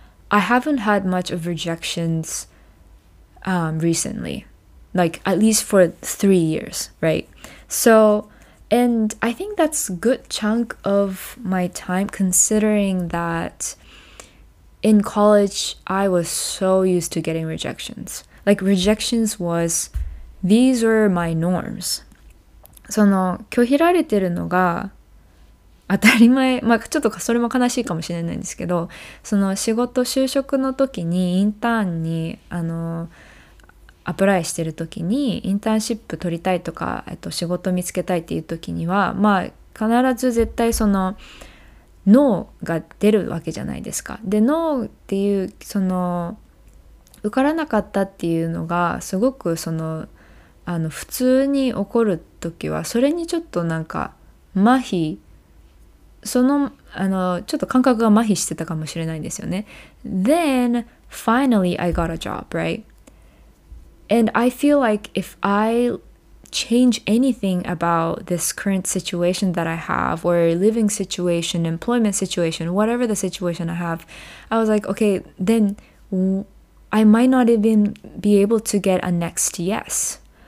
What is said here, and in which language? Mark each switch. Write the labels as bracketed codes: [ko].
[en] I haven't had much of rejections recently, like at least for 3 years, right? So, and I think that's a good chunk of my time, considering that in college, I was so used to getting rejections. Like, rejections was, these were my norms. [ja] その、拒否られてるのが当たり前、まあ、ちょっとそれも悲しいかもしれないんですけど、その仕事、就職の時に、インターンに、アプライしてる時に、インターンシップ取りたいとか、仕事見つけたいっていう時には、まあ、必ず絶対その、ノーが出るわけじゃないですか。で、ノーっていう、その、受からなかったっていうのが、すごくその、普通に起こる時は、それにちょっとなんか、麻痺、その、ちょっと感覚が麻痺してたかもしれないんですよね。 [en] Then, finally, I got a job, right? And I feel like if I change anything about this current situation that I have, or living situation, employment situation, whatever the situation I have, I was like, okay, then I might not even be able to get a next yes.